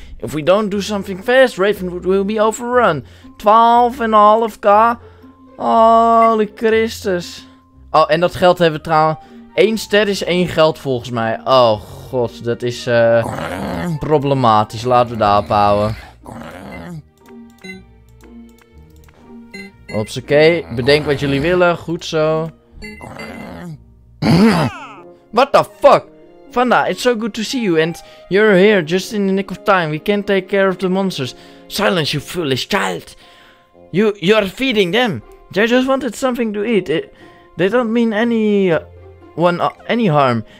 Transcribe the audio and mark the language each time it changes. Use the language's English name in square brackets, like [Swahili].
[English] If we don't do something fast, Ravenwood will be overrun. [Dutch] 12,5k. [English] Holy [Dutch] Christus. Oh, en dat geld hebben we trouwens. 1 ster is 1 geld volgens mij. Oh god, dat is problematisch. Laten we daarop houden. Hopsakee, bedenk wat jullie willen, goed zo. [English] What the fuck? Fanda, it's so good to see you and you're here just in the nick of time. We can't take care of the monsters. Silence, you foolish child. You're feeding them. They just wanted something to eat. They don't mean any harm.